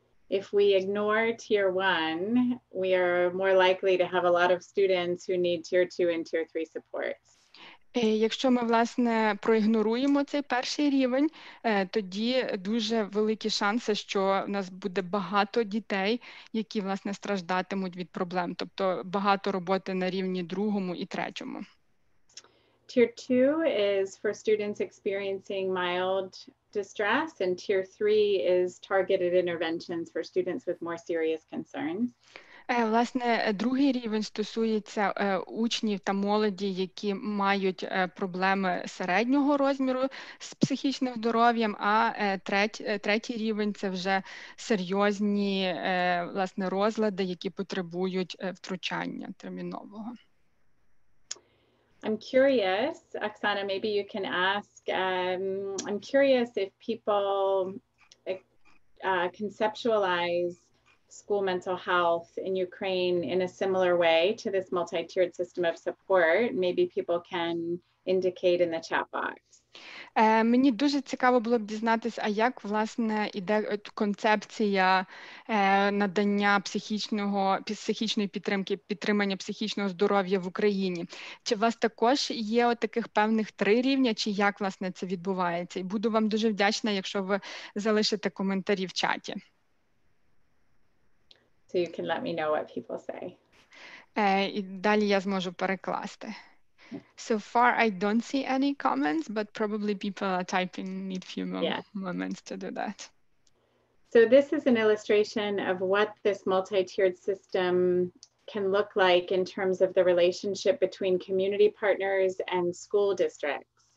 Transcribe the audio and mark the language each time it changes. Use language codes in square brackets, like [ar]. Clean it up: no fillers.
[en] If we ignore tier one, we are more likely to have a lot of students who need tier two and tier three supports. [uk] Якщо ми, власне, проігноруємо цей перший рівень, тоді дуже великі шанси, що в нас буде багато дітей, які, власне, страждатимуть від проблем. Тобто багато роботи на рівні другому і третьому. [en] Tier 2 is for students experiencing mild distress, and tier 3 is targeted interventions for students with more serious concerns. [uk] Власне, другий рівень стосується учнів та молоді, які мають проблеми середнього розміру з психічним здоров'ям, а третій рівень – це вже серйозні, власне, розлади, які потребують втручання термінового. [en] I'm curious, Оксана, maybe you can ask, I'm curious if people conceptualize school mental health in Ukraine in a similar way to this multi-tiered system of support. Maybe people can indicate in the chat box. [uk] Мені дуже цікаво було б дізнатися, а як, власне, іде концепція надання психічної підтримки, підтримання психічного здоров'я в Україні. Чи у вас також є отаких певних три рівня, чи як, власне, це відбувається? І буду вам дуже вдячна, якщо ви залишите коментарі в чаті. [en] So you can let me know what people say. [uk] І далі я зможу перекласти. [en] So far I don't see any comments, but probably people are typing, need a few moments to do that. So this is an illustration of what this multi-tiered system can look like in terms of the relationship between community partners and school districts.